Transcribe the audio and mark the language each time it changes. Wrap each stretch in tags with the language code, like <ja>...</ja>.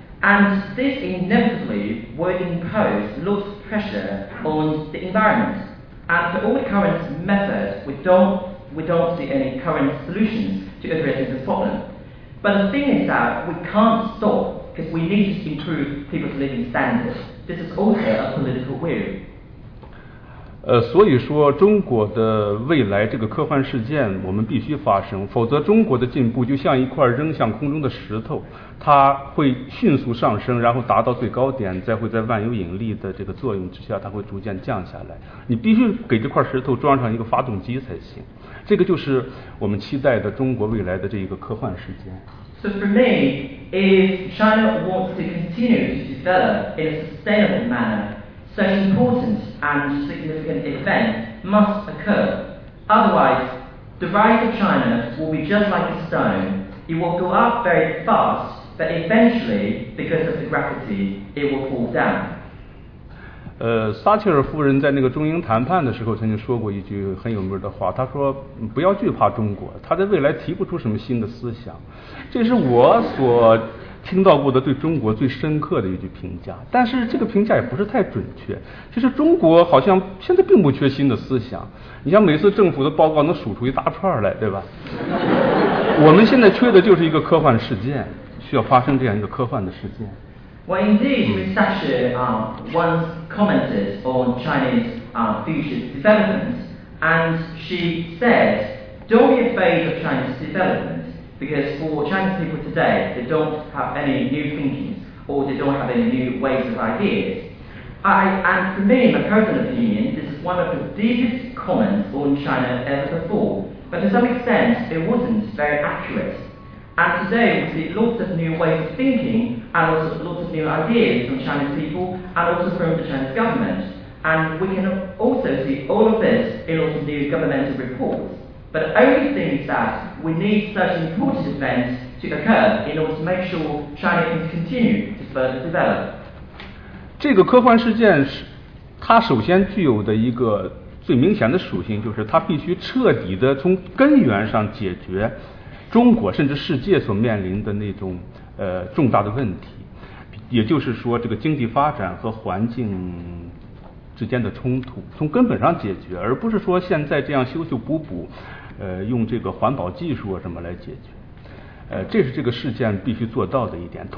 <en>And this inevitably will impose lots of pressure on the environment. And for all the current methods, we don't see any current solutions to address this problem. But the thing is that we can't stop because we need to improve people's living standards. This is also a political will.</en> <zh>所以说中国的未来这个科幻事件我们必须发生，否则中国的进步就像一块扔向空中的石头，它会迅速上升，然后达到最高点，再会在万有引力的这个作用之下，它会逐渐降下来。你必须给这块石头装上一个发动机才行，这个就是我们期待的中国未来的这一个科幻事件。</zh> <en>So for me, if China wants to continue to develop in a sustainable mannerSuch important and significant event must occur. Otherwise, the rise of China will be just like a stone. It will go up very fast, but eventually, because of the gravity, it will fall down.</en> <zh>撒切尔夫人在那个中英谈判的时候曾经说过一句很有名的话，她说不要惧怕中国，她在未来提不出什么新的思想。这是我所听到过的对中国最深刻的一句评价，但是这个评价也不是太准确。其实中国好像现在并不缺新的思想，你像每次政府的报告能数出一大串来，对吧？我们现在缺的就是一个科幻事件，需要发生这样一个科幻的事件。</zh> <en>Well, indeed, Ms. Thatcher once commented on Chinese future development, and she said, don't be afraid of Chinese development, because for Chinese people today, they don't have any new thinking, or they don't have any new ways of ideas. And for me, in my personal opinion, this is one of the deepest comments on China ever before, but to some extent, it wasn't very accurate. And today we see lots of new ways of thinking and also lots of new ideas from Chinese people and also from the Chinese government. And we can also see all of this in lots of new governmental reports. But the only thing is that we need such important events to occur in order to make sure China can continue to further develop.</en> <zh>这个科幻事件是它首先具有的一个最明显的属性，就是它必须彻底的从根源上解决中国甚至世界所面临的那种重大的问题，也就是说这个经济发展和环境之间的冲突从根本上解决，而不是说现在这样修修补补用这个环保技术什么来解决，这是这个事件必须做到的一点。</zh>